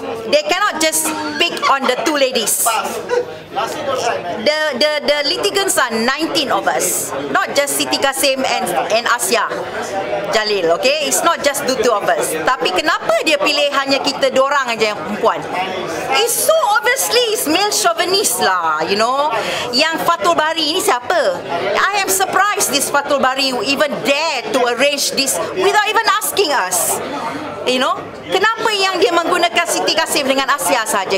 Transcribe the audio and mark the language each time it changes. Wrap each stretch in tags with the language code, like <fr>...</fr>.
<en>They cannot just pick on the two ladies. The litigants are 19 of us, not just Siti Kasim and Asia Jalil, okay? It's not just the two of us.</en> <ms>Tapi kenapa dia pilih hanya kita dorang aja yang perempuan?</ms> <en>It's so obviously it's male chauvinist lah, you know.</en> <ms>Yang Fathul Bari ini siapa?</ms> <en>I am surprised this Fathul Bari even dare to arrange this without even asking us. You know,</en> <ms>kenapa yang dia menggunakan Siti Kasim dengan Asia saja?</ms>